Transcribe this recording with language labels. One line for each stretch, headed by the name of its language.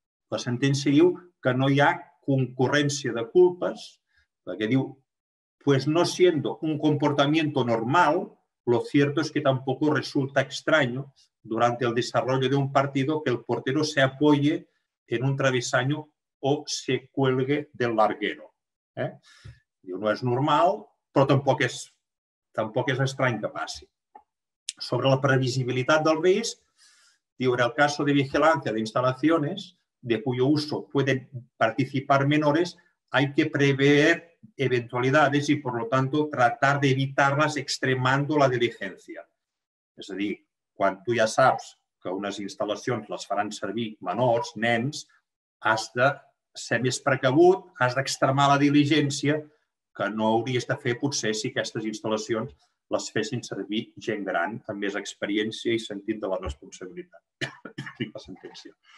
Spanish: La sentència diu que no hi ha concurrència de culpes, perquè diu, pues no siendo un comportamiento normal, lo cierto es que tampoco resulta extraño durante el desarrollo de un partido que el portero se apoye en un travesaño o se cuelgue del larguero. Eh?
Catalan: Diu, no és normal, però tampoc és estrany que passi.
Spanish: Sobre la previsibilitat del risc, diu, en el caso de vigilancia de instalaciones de cuyo uso pueden participar menores, hay que prever eventualidades y, por lo tanto, tratar de evitarlas extremando la diligencia.
Catalan: És a dir, quan tu ja saps que unes instal·lacions les faran servir menors, nens, has de ser més precavut, has d'extremar la diligència que no hauries de fer potser si aquestes instal·lacions les fessin servir gent gran amb més experiència i sentit de la responsabilitat. La sentència.